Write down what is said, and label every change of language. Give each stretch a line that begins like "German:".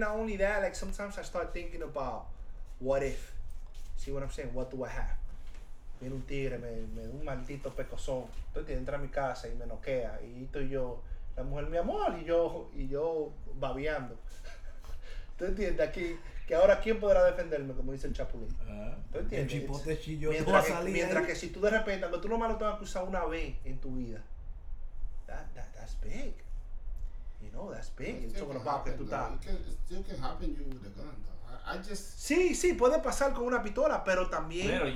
English: Not only that, like sometimes I start thinking about what if. See what I'm saying? What do I have?
Spanish: Viene un tigre, me da un maldito pecozón. Entonces entra a mi casa y me noquea. Y estoy yo, la mujer, mi amor, y yo babeando. ¿Tú entiendes? Aquí, que ahora, ¿quién podrá defenderme? Como dice el Chapulín. Ah, ¿tú entiendes? El chipote chillo. Mientras que si tú de repente, aunque tú nomás lo tengas que usar una vez en tu vida,
English: that's big. You know, that's big. It talking about happen,
Spanish: que tú estás.
English: It still can happen to you with a gun, though. I just.
Spanish: Sí, puede pasar con una pistola, pero también